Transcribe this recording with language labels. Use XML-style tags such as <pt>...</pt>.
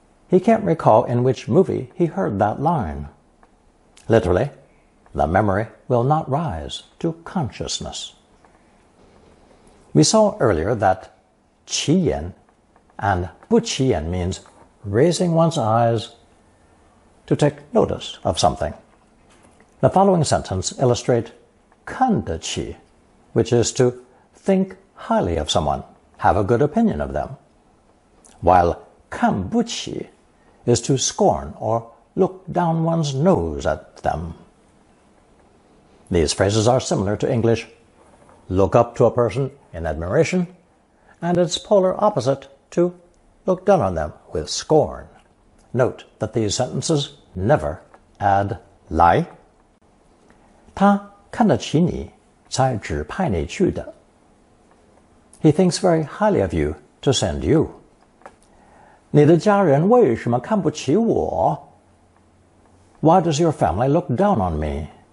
<en>He can't recall in which movie he heard that line. Literally, the memory will not rise to consciousness. We saw earlier that 起眼 and 不起眼 means raising one's eyes to take notice of something. The following sentence illustrates 看得起, which is to think highly of someone, have a good opinion of them, while 看不起 is to scorn or look down one's nose at them. These phrases are similar to English. Look up to a person in admiration, and its polar opposite to look down on them with scorn. Note that these sentences never add 来。</en> <zh>他看得起你才指派你去的。</zh> <en>He thinks very highly of you to send you.</en> <zh>你的家人为什么看不起我?</zh> <en>Why does your family look down on me?</en>